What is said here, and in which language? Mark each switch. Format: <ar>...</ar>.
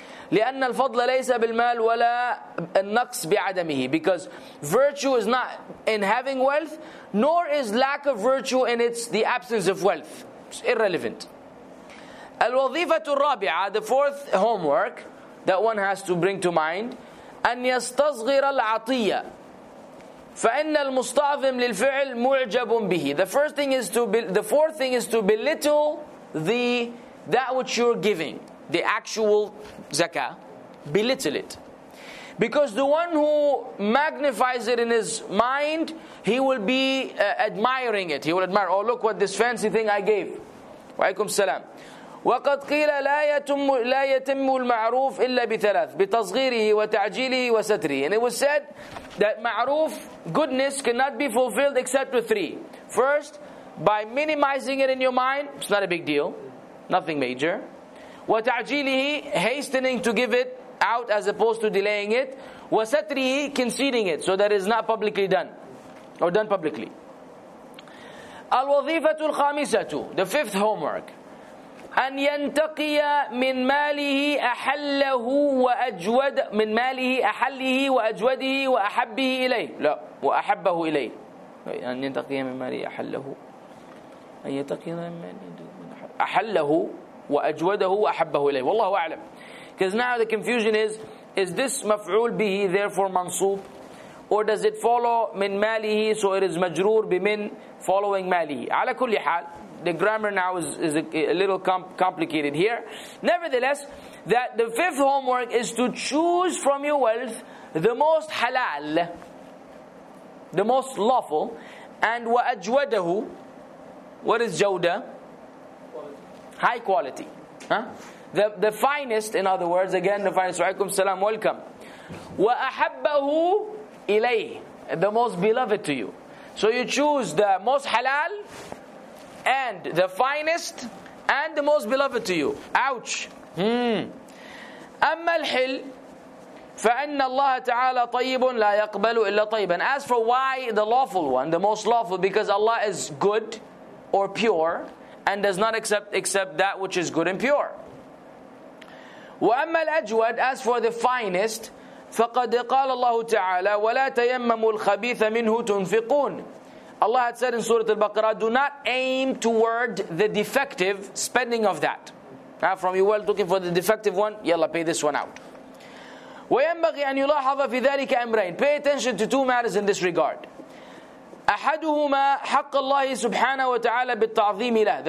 <ar>لِأَنَّ الْفَضْلَ لَيْسَ بِالْمَالِ وَلَا النَّقْصِ بِعَدَمِهِ.</ar> <en>Because virtue is not in having wealth, nor is lack of virtue in its the absence of wealth. It's irrelevant.</en> <ar>الْوَظِيفَةُ الرَّابِعَةُ.</ar> <en>The fourth homework that one has to bring to mind.</en> <ar>أن يستصغر العطية فإن المستعظم للفعل معجب به.</ar> <en>The fourth thing is to belittle that which you're giving, the actual zakah, belittle it. Because the one who magnifies it in his mind, he will be admiring it. He will admire, oh look what this fancy thing I gave.</en> <ar>وعليكم السلام. وقد قيل لا يتم المعروف إلا بثلاث بتصغيره وتعجيله وستره.</ar> <en>And it was said that معروف, goodness, cannot be fulfilled except with three. First, by minimizing it in your mind, it's not a big deal, nothing major. وتعجيله, hastening to give it out as opposed to delaying it. وستره, concealing it so that it is not publicly done, or done publicly.</en> <ar>الوظيفة الخامسة,</ar> <en>the fifth homework.</en> <ar>أن ينتقي من ماله أحله وأجود من ماله أحله وأجوده وأحبه إليه. لا وأحبه إليه. أن ينتقي من ماله أحله. أن ينتقي من ماله أحله وأجوده وأحبه إليه. والله أعلم.</ar> <en>Because now the confusion is this مفعول به therefore منصوب, or does it follow من ماله, so it is مجرور بمن following ماله.</en> <ar>على كل حال,</ar> <en>the grammar now is a little complicated here. Nevertheless, that the fifth homework is to choose from your wealth the most halal, the most lawful, and wa ajwadahu. What is jawda? High quality. Huh? The finest, in other words, again, the finest. Alaykum salam, welcome.</en> <ar>Wa ahabbahu ilayh.</ar> <en>The most beloved to you. So you choose the most halal, and the finest, and the most beloved to you. Ouch.</en> <ar>أما الحل فإن الله تعالى طيب لا يقبل إلا طيبا.</ar> <en>As for why the lawful one, the most lawful, because Allah is good or pure and does not accept that which is good and pure.</en> <ar>وأما الأجود,</ar> <en>as for the finest,</en> <ar>فقد قال الله تعالى ولا تيمموا الخبيث منه تنفقون.</ar> <en>Allah had said in Surah Al-Baqarah, do not aim toward the defective spending of that. Now, from your wealth looking for the defective one, yalla, pay this one out.</en> <ar>وَيَنْبَغِي أَنْ يُلَاحَظَ فِي ذَلِكَ أَمْرَيْنَ.</ar> <en>Pay attention to two matters in this regard.</en> <ar>أَحَدُهُمَا حَقَّ اللَّهِ سُبْحَانَهُ وَتَعَالَى بِالتَّعْظِيمِ لَهُ.</ar>